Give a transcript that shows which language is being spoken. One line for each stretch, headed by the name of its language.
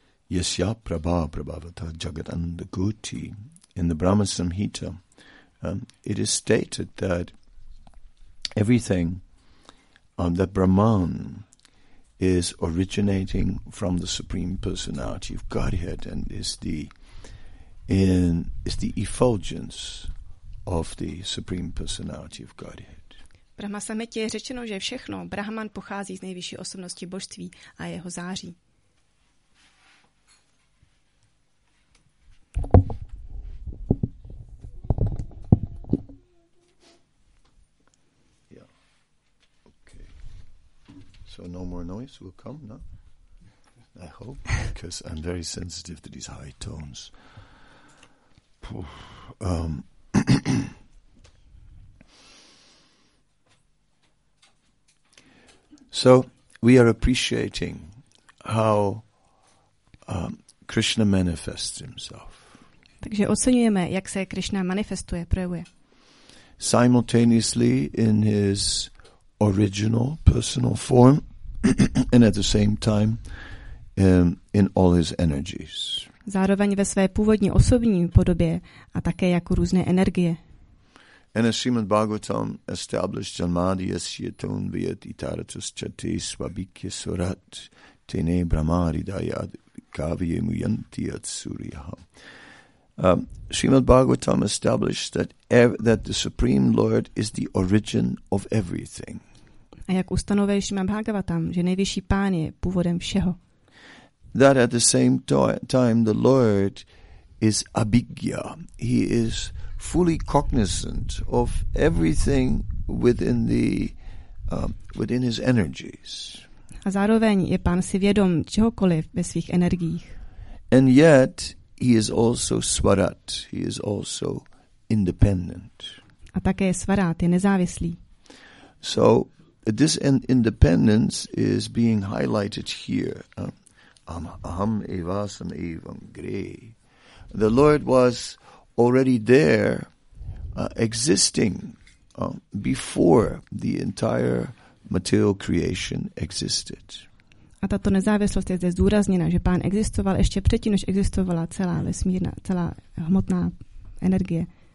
Sanskrit: Yasya Prabha Prabhavata Jagadandakuti
English: in the Brahma Samhita, it is stated that everything that Brahman is originating from the Supreme Personality of Godhead and is the effulgence of the Supreme Personality of Godhead.
Czech: Brahma Samhita je řečeno, že všechno Brahman pochází z nejvyšší osobnosti božství a jeho září.
English: So no more noise will come, no? I hope, because I'm very sensitive to these high tones. So we are appreciating how Krishna manifests himself.
Czech: Takže oceňujeme, jak se Krishna manifestuje, projevuje.
English: Simultaneously in his original personal form, and at the same time in all his energies.
Czech: Zároveň ve své původní osobní podobě a také jako různé energie.
English: And as Srimad Bhagavatam established
Sanskrit: Janmadi Yasyatun Vyat Itaratus Chate Swabhikya Surat Tene Brahmari Dayad Kavye Muyanti Yat Suryaha.
English: Srimad Bhagavatam established that the Supreme Lord is the origin of everything.
Czech: A jak ustanovuje Srimad Bhagavatam, že nejvyšší pán je původem všeho.
English: That at the same time the Lord is abhigya. He is fully cognizant of everything within the within his energies.
Czech: A zároveň je pán si vědom čehokoliv ve svých energiích.
English: And yet he is also svarat. He is also independent.
Czech: A také je svarat, je nezávislý.
English: So this independence is being highlighted here.
Sanskrit: Aham evasam evam gre.
English: The Lord was already there, existing before the entire material creation existed.
Czech: A tato nezávislost je zde zdůrazněna, že pán existoval ještě předtím, než existovala celá vesmírna, celá hmotná energie.